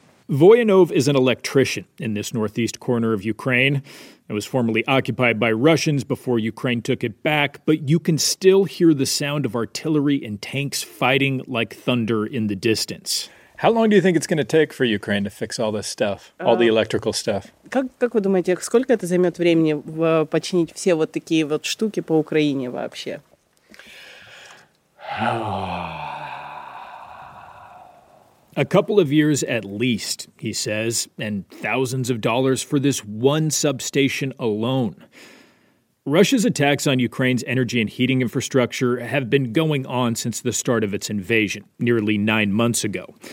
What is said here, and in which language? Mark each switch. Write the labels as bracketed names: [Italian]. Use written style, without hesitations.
[English] Voyanov is an electrician in this northeast corner of Ukraine. It was formerly occupied by Russians before Ukraine took it back, but you can still hear the sound of artillery and tanks fighting like thunder in the distance. How long do you think it's going to take for Ukraine to fix all this stuff, all the electrical stuff? [Russian] Как вы думаете, сколько это займет времени починить все вот такие вот штуки по Украине вообще? [English] A couple of years at least, he says, and thousands of dollars for this one substation alone. Russia's attacks on Ukraine's energy and heating infrastructure have been going on since the start of its invasion, nearly 9 months ago.